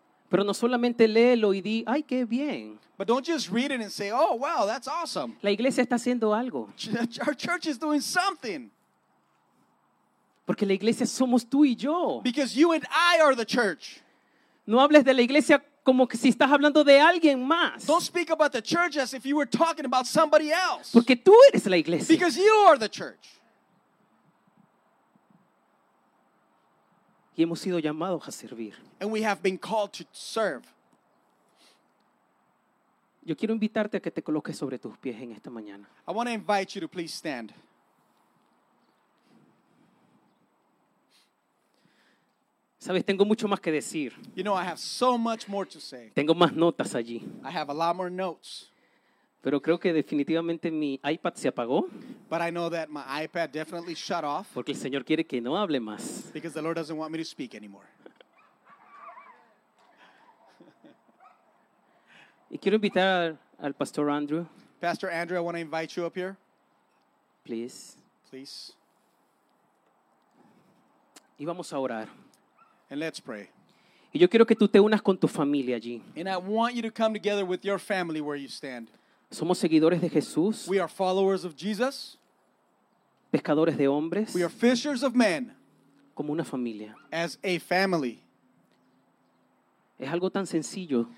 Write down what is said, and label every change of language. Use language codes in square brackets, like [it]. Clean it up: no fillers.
[es] Pero no solamente léelo y di, ay, qué bien. [en] But don't just read it and say, oh, wow, that's awesome. [es] La iglesia está haciendo algo. [en] Our church is doing something. [es] Porque la iglesia somos tú y yo. [en] Because you and I are the church. [es] No hables de la iglesia como que si estás hablando de alguien más. [en] Don't speak about the church as if you were talking about somebody else. [es] Porque tú eres la iglesia. [en] Because you are the church. [es] Y hemos sido llamados a servir. [en] And we have been called to serve. [es] Yo quiero invitarte a que te coloques sobre tus pies en esta mañana. [en] I want to invite you to please stand. [es] Sabes, tengo mucho más que decir. [en] You know, I have so much more to say. [es] Tengo más notas allí. [en] I have a lot more notes. [es] Pero creo que definitivamente mi iPad se apagó. [en] But I know that my iPad definitely shut off. [es] Porque el Señor quiere que no hable más. [en] Because the Lord doesn't want me to speak anymore. [es] Y quiero invitar al Pastor Andrew. [en] Pastor Andrew, I want to invite you up here. Please. Please. [es] Y vamos a orar. [en] And let's pray. [es] Y yo quiero que tú te unas con tu familia allí. [en] And I want you to come together with your family where you stand. [es] Somos seguidores de Jesús. [en] We are followers of Jesus. [es] Pescadores de hombres. [en] We are fishers of men. [es] Como una familia. [en] As a family. [es] Es algo tan sencillo.